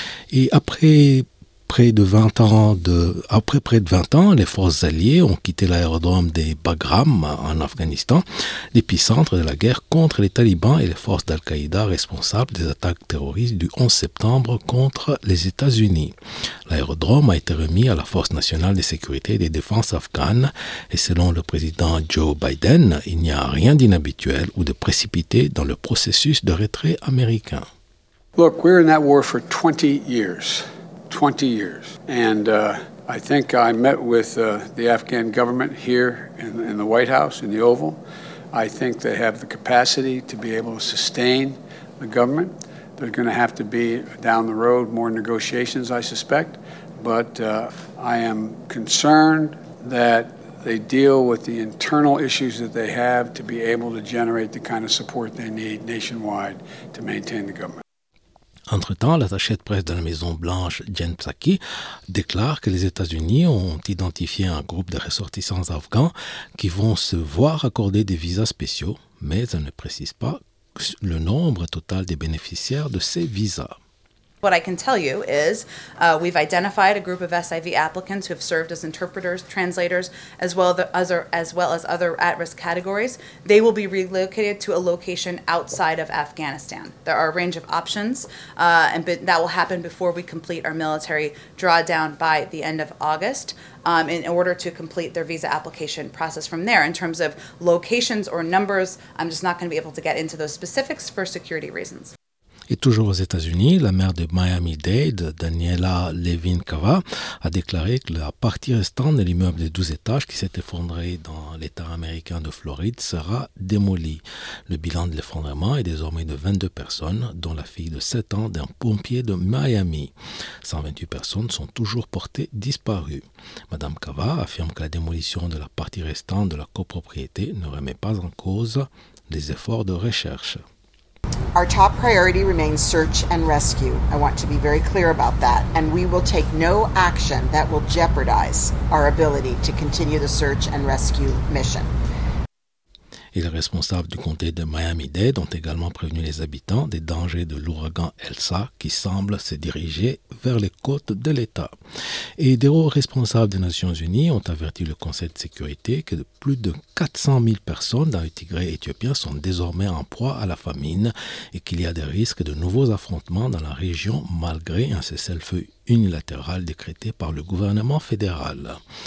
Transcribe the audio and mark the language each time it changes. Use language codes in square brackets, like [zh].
[fr] Et après près de 20 ans, les forces alliées ont quitté l'aérodrome des Bagram en Afghanistan, l'épicentre de la guerre contre les talibans et les forces d'Al-Qaïda responsables des attaques terroristes du 11 septembre contre les États-Unis. L'aérodrome a été remis à la Force nationale de sécurité et de défense afghane et selon le président Joe Biden, il n'y a rien d'inhabituel ou de précipité dans le processus de retrait américain. [en] Look, we're in that war for 20 years. 20 years. And I think I met with the Afghan government here in the White House, in the Oval. I think they have the capacity to be able to sustain the government. There's going to have to be down the road more negotiations, I suspect. But I am concerned that they deal with the internal issues that they have to be able to generate the kind of support they need nationwide to maintain the government. [fr] Entre-temps, l'attaché de presse de la Maison-Blanche, Jen Psaki, déclare que les États-Unis ont identifié un groupe de ressortissants afghans qui vont se voir accorder des visas spéciaux, mais elle ne précise pas le nombre total des bénéficiaires de ces visas. [en] What I can tell you is we've identified a group of SIV applicants who have served as interpreters, translators, as well as other at-risk categories. They will be relocated to a location outside of Afghanistan. There are a range of options, that will happen before we complete our military drawdown by the end of August in order to complete their visa application process from there. In terms of locations or numbers, I'm just not going to be able to get into those specifics for security reasons. [fr] Et toujours aux États-Unis, la maire de Miami-Dade, Daniela Levin-Cava, a déclaré que la partie restante de l'immeuble de 12 étages qui s'est effondré dans l'État américain de Floride sera démolie. Le bilan de l'effondrement est désormais de 22 personnes, dont la fille de 7 ans d'un pompier de Miami. 128 personnes sont toujours portées disparues. Madame Cava affirme que la démolition de la partie restante de la copropriété ne remet pas en cause les efforts de recherche. [en] Our top priority remains search and rescue. I want to be very clear about that. And we will take no action that will jeopardize our ability to continue the search and rescue mission. [fr] Et les responsables du comté de Miami-Dade ont également prévenu les habitants des dangers de l'ouragan Elsa qui semble se diriger vers les côtes de l'État. Et des hauts responsables des Nations Unies ont averti le Conseil de sécurité que plus de 400 000 personnes dans le Tigré éthiopien sont désormais en proie à la famine et qu'il y a des risques de nouveaux affrontements dans la région malgré un cessez-le-feu unilatéral décrété par le gouvernement fédéral.